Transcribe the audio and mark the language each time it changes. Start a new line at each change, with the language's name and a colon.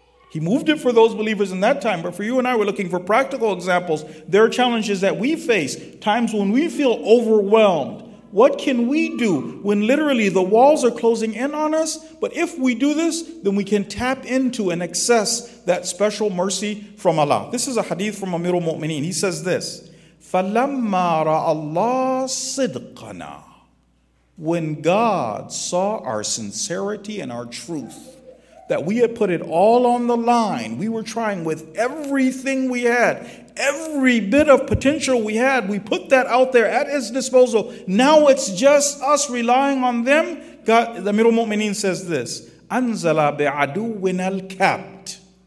English: He moved it for those believers in that time, but for you and I, we're looking for practical examples. There are challenges that we face, times when we feel overwhelmed. What can we do when literally the walls are closing in on us? But if we do this, then we can tap into and access that special mercy from Allah. This is a hadith from Amir al-Mu'mineen. He says this,
Arabic: فَلَمَّا رَأَ اللَّهُ صِدْقَنَا.
English: When God saw our sincerity and our truth, that we had put it all on the line, we were trying with everything we had, every bit of potential we had, we put that out there at His disposal. Now it's just us relying on them. God, the Amir al-Mu'mineen says this,
Arabic: أَنزَلَ بِعَدُوِّنَا الْكَبْتِ.